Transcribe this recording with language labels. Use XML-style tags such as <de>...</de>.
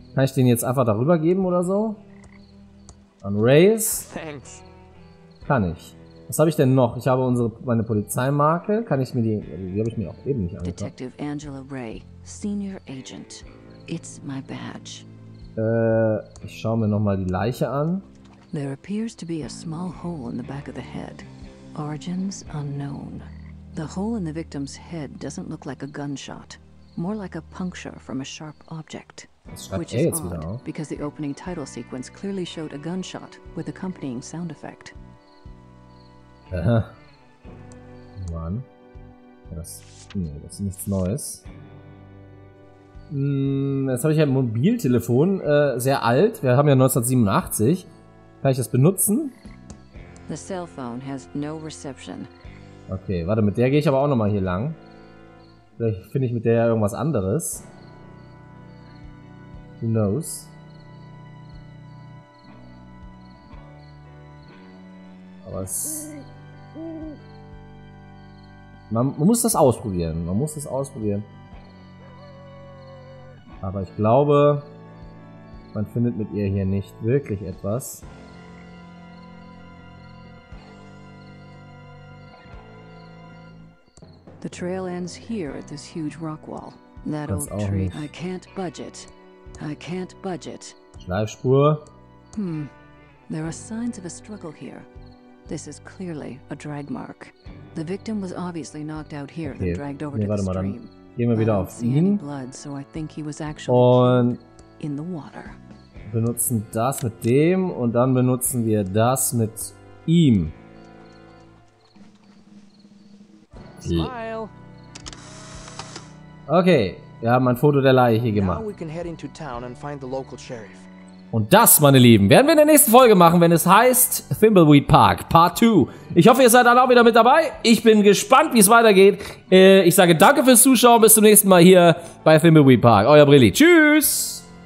<de>Kann ich den jetzt einfach darüber geben oder so? An Reyes?</de> <en>Thanks.</en> <de>Kann ich. Was habe ich denn noch? Ich habe meine Polizeimarke. Kann ich mir die? Die habe ich mir auch eben nicht angeschaut.</de> <en>Detective Angela Ray, Senior Agent. It's my badge.</en> <de>Ich schaue mir noch mal die Leiche an.</de> <en>There appears to be a small hole in the back of the head. Origins unknown. The hole in the victim's head doesn't look like a gunshot. More like a puncture from a sharp object. Which is odd, because the opening title sequence clearly showed a gunshot with accompanying sound effect.</en> <de>Aha. Mann. Das ist nichts Neues. Jetzt habe ich ja ein Mobiltelefon. Sehr alt. Wir haben ja 1987. Kann ich das benutzen?</de> <en>The cell phone has no reception.</en> <de>Okay, warte, mit der gehe ich aber auch nochmal hier lang. Vielleicht finde ich mit der ja irgendwas anderes.</de> <en>Who knows?</en> <de>Aber es... Man muss das ausprobieren. Man muss das ausprobieren. Aber ich glaube, man findet mit ihr hier nicht wirklich etwas.</de> <en>The trail ends here at this huge rock wall. That old tree. I can't budge it. I can't budge it.</en> <de>Schleifspur. Hmm.</de> <en>There are signs of a struggle here. This is clearly a drag mark. The victim was obviously knocked out here, then dragged over to the stream.</en> <de>Gehen wir wieder auf ihn.</de> <en>Blood, so I think he was</en> <de>und</de> <en>in the water.</en> <de>Benutzen das mit dem und dann benutzen wir das mit ihm. Okay, wir haben ein Foto der Leiche hier gemacht. We can head into town and find the local sheriff. Und das, meine Lieben, werden wir in der nächsten Folge machen, wenn es heißt Thimbleweed Park Part 2. Ich hoffe, ihr seid dann auch wieder mit dabei. Ich bin gespannt, wie es weitergeht. Ich sage danke fürs Zuschauen. Bis zum nächsten Mal hier bei Thimbleweed Park. Euer Brilli. Tschüss.</de>